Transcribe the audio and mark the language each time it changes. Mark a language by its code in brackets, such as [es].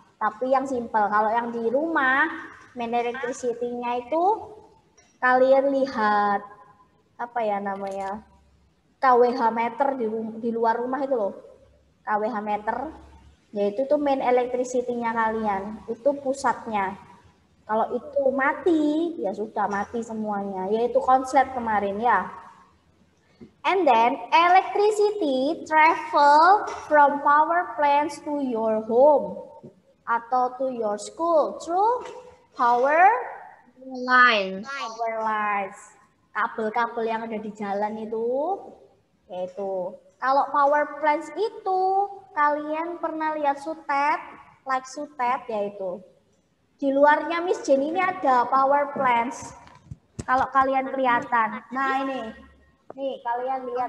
[id] Tapi yang simple kalau yang di rumah main electricity-nya itu kalian lihat apa ya namanya? kWh meter di luar rumah itu loh. kWh meter yaitu tuh main electricity-nya kalian, itu pusatnya. Kalau itu mati, ya sudah mati semuanya. Yaitu konslet kemarin ya. [en] And then electricity travel from power plants to your home [id] atau [en] to your school through power lines. Power lines. [id] Kabel-kabel yang ada di jalan itu yaitu kalau power plants itu kalian pernah lihat sutet, like sutet yaitu. Di luarnya Miss Jenny ini ada power plants. Kalau kalian kelihatan. Nah, ini. Nih, kalian lihat.